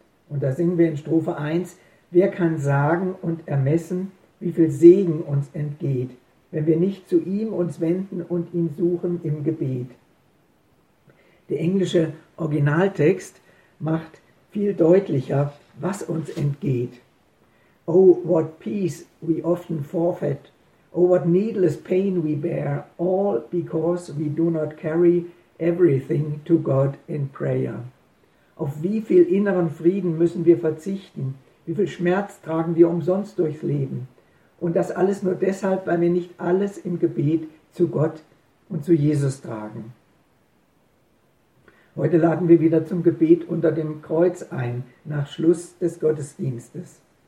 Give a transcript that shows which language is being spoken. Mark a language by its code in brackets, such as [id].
[de] Und da singen wir in Strophe 1 »Wer kann sagen und ermessen, wie viel Segen uns entgeht, wenn wir nicht zu ihm uns wenden und ihn suchen im Gebet?« Der englische Originaltext macht viel deutlicher, was uns entgeht. [en] »Oh, what peace we often forfeit! Oh, what needless pain we bear, all because we do not carry everything to God in prayer. [de] Auf wie viel inneren Frieden müssen wir verzichten? Wie viel Schmerz tragen wir umsonst durchs Leben? Und das alles nur deshalb, weil wir nicht alles im Gebet zu Gott und zu Jesus tragen. Heute laden wir wieder zum Gebet unter dem Kreuz ein, nach Schluss des Gottesdienstes.